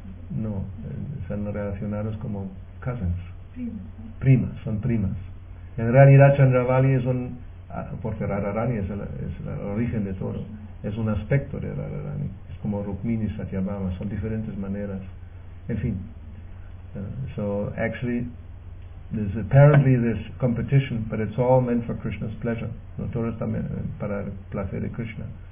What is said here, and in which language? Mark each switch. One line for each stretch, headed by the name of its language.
Spanish: No, son relacionados como cousins, primas, son primas. En realidad Chandravali es un, porque Radharani es el origen de todo, es un aspecto de Radharani, es como Rukmini y Satyabhama, son diferentes maneras, en fin.
English: So actually there's apparently this competition, but it's all meant for Krishna's pleasure.
Spanish: No, todo está para el placer de Krishna.